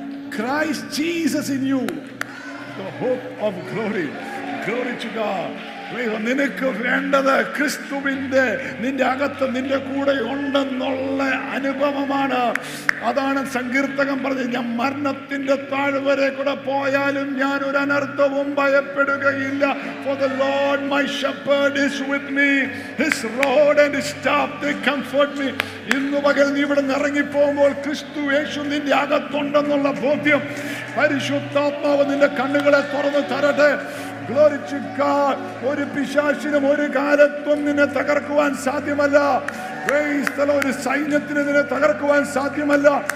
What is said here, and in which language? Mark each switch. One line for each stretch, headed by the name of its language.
English: Christ Jesus in you, the hope of glory. Glory to God.
Malayalam: നിനക്ക് വേണ്ടത് ക്രിസ്തുവിന്റെ നിന്റെ അകത്ത് നിന്റെ കൂടെ ഉണ്ടെന്നുള്ള അനുഭവമാണ്. അതാണ് സങ്കീർത്തകൻ പറഞ്ഞത്, ഞാൻ മരണത്തിന്റെ താഴ്വരെ കൂടെ പോയാലും ഞാൻ ഒരു അനർത്ഥവും ഭയപ്പെടുകയില്ല.
English: For the Lord my shepherd is with me, his rod and his staff they comfort me.
Malayalam: ഇന്ന് പകൽ നീ ഇവിടെ നിന്ന് ഇറങ്ങിപ്പോകുമ്പോൾ ക്രിസ്തു യേശു നിന്റെ അകത്തുണ്ടെന്നുള്ള ബോധ്യം പരിശുദ്ധാത്മാവ് നിന്റെ കണ്ണുകളെ തുറന്നു തരട്ടെ.
English: Glory to God.
Malayalam: ഒരു പിശാചിനും ഒരു കാലത്തും നിന്നെ തകർക്കുവാൻ സാധ്യമല്ല.
English: Praise the Lord.
Malayalam: ഒരു സൈന്യത്തിന് നിന്നെ തകർക്കുവാൻ സാധ്യമല്ല.